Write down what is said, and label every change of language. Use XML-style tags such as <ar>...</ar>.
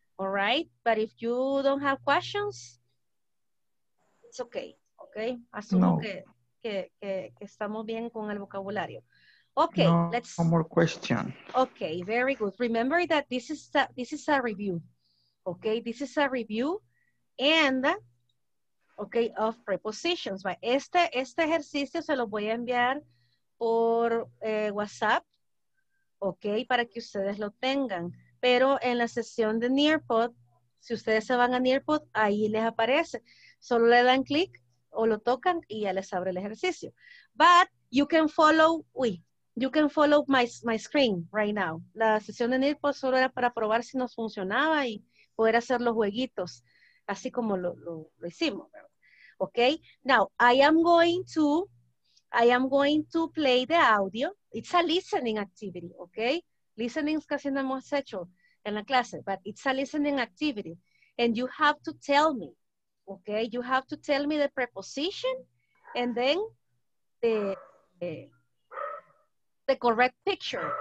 <en>All right, but if you don't have questions, it's okay.</en> <es>Okay, asumo que estamos bien con el vocabulario. Okay, no,</es> <en>let's. One more question. Okay, very good. Remember that this is a review. Okay, this is a review, and okay, of prepositions.</en> <es>But este ejercicio se lo voy a enviar por WhatsApp. Okay, para que ustedes lo tengan. Pero en la sesión de Nearpod, si ustedes se van a Nearpod, ahí les aparece. Solo le dan clic o lo tocan y ya les abre el ejercicio.</es> <en>But you can follow my screen right now.</en> <es>La sesión de Nearpod solo era para probar si nos funcionaba y poder hacer los jueguitos, así como lo hicimos.</es> <en>Okay, now I am going to play the audio. It's a listening activity, okay? Listening</en> <es>es casi no hemos hecho en la clase,</es> <en>but it's a listening activity. And you have to tell me, okay? You have to tell me the preposition and then the correct picture.</en>